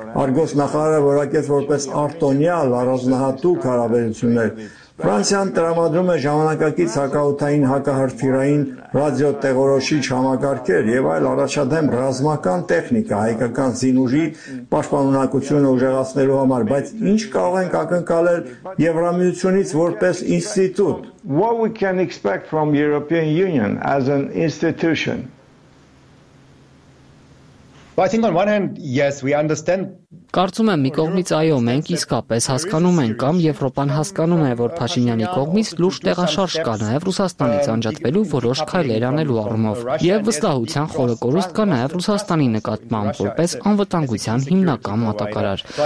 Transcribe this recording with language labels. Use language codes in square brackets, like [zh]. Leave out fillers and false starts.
[hy] արգոս նախարարը որակեց որպես արտոնյալ առանձնահատուկ հարաբերություններ։ Ֆրանսիան տրամադրում է ժամանակակից հակաօդային հակահարթիրային ռադիո տեղորոշիչ համակարգեր եւ այլ առաջադեմ ռազմական տեխնիկա հայկական զինուժի պաշտպանունակությունը ուժեղացնելու համար, բայց ինչ կարող ենք ակնկալել Եվրամիությունից որպես ինստիտուտ? [en] What we can expect from European Union as an institution? Well, I think on one hand, yes, we understand. [hy] Կարծում եմ, մի կողմից այո, մենք իսկապես հասկանում ենք, կամ Եվրոպան հասկանում է, որ Փաշինյանի կողմից լուրջ տեղաշարժ կա նաև Ռուսաստանից անջատվելու որոշ քայլեր անելու առումով, եւ վստահության խորը կորուստ կա նաև Ռուսաստանի նկատմամբ որպես անվտանգության հիմնական մատակարար։